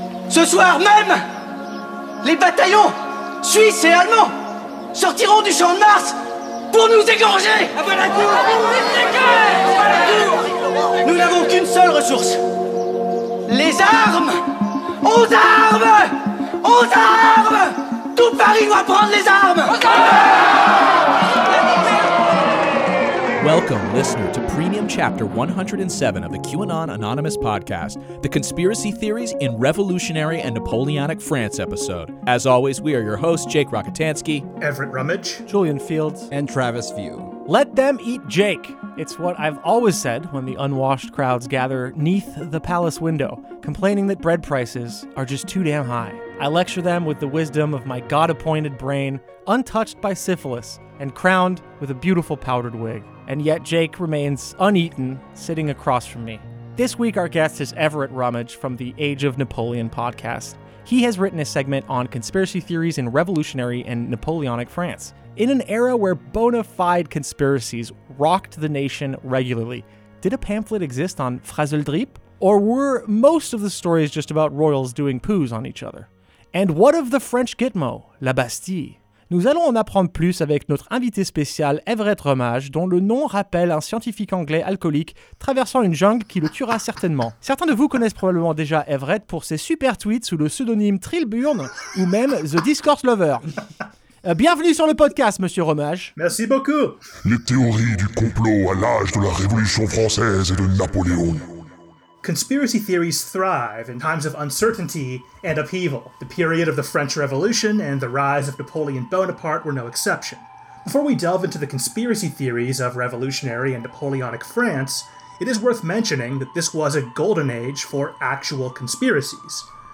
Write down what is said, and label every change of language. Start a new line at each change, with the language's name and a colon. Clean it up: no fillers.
French: Ce soir même, les bataillons suisses et allemands sortiront du champ de Mars pour nous égorger. Nous n'avons qu'une seule ressource. Les armes. Aux armes. Aux armes. Tout Paris doit prendre les armes. Aux armes.
English: Welcome, listener, to Premium Chapter 107 of the QAnon Anonymous Podcast, the Conspiracy Theories in Revolutionary and Napoleonic France episode. As always, we are your hosts, Jake Rokitansky, Everett Rummage, Julian Fields, and Travis View. Let them eat Jake. It's what I've always said when the unwashed crowds gather neath the palace window, complaining that bread prices are just too damn high. I lecture them with the wisdom of my God-appointed brain, untouched by syphilis, and crowned with a beautiful powdered wig. And yet Jake remains uneaten, sitting across from me. This week our guest is Everett Rummage from the Age of Napoleon podcast. He has written a segment on conspiracy theories in revolutionary and Napoleonic France. In an era where bona fide conspiracies rocked the nation regularly, did a pamphlet exist on Frasel Drip? Or were most of the stories just about royals doing poos on each other? And what of the French Gitmo, La Bastille?
French: Nous allons en apprendre plus avec notre invité spécial Everett Rummage, dont le nom rappelle un scientifique anglais alcoolique traversant une jungle qui le tuera certainement. Certains de vous connaissent probablement déjà Everett pour ses super tweets sous le pseudonyme Trilburne ou même The Discourse Lover. Bienvenue sur le podcast, monsieur Rummage. Merci beaucoup. Les théories du complot à l'âge de la Révolution française et de Napoléon.
English: Conspiracy theories thrive in times of uncertainty and upheaval. The period of the French Revolution and the rise of Napoleon Bonaparte were no exception. Before we delve into the conspiracy theories of revolutionary and Napoleonic France, it is worth mentioning that this was a golden age for actual conspiracies.